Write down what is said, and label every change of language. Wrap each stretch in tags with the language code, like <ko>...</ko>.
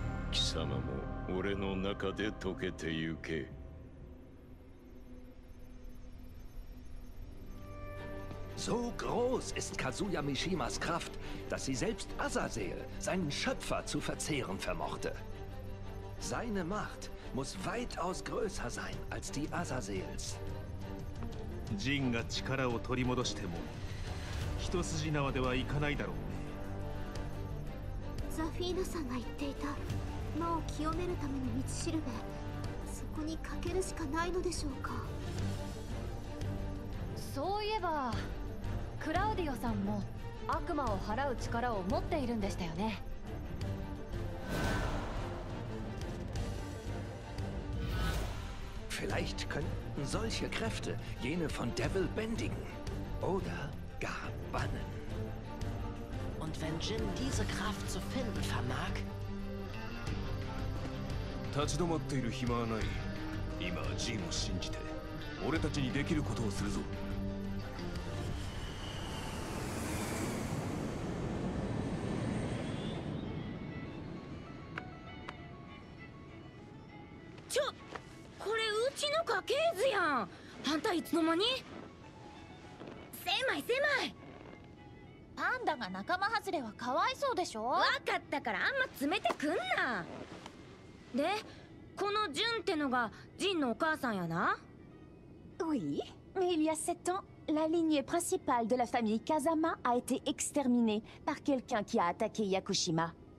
<ja>貴様も俺の中で溶けてゆけ。</ja> <de>So groß ist Kazuya Mishimas Kraft, dass sie selbst Azazel, seinen Schöpfer, zu verzehren vermochte. Seine Macht muss weitaus größer sein als die Azazels.</de> <ja>Jin が力を取り戻しても、一筋縄ではいかないだろうね。ザフィーナさんが言っていた。魔を清めるための道しるべ、そこにかけるしかないのでしょうか。そういえばクラウディオさんも悪魔を払う力を持っているんでしたよね。</ja> <de>Vielleicht könnten solche Kräfte jene von Devil bändigen oder gar bannen. Und wenn Jin diese Kraft zu finden vermag?</de> <ja>立ち止まっている暇はない。今はジンを信じて、俺たちにできることをするぞ。ちょ、これうちの家系図やん。あんたいつの間に？狭い狭い。パンダが仲間外れはかわいそうでしょ。わかったからあんま詰めてくんな。で、このジュンってのがジンのお母さんやな。</ja> <fr>Oui, il y a 7 ans, la lignée principale de la famille Kazama a été exterminée par quelqu'un qui a attaqué Yakushima.</fr>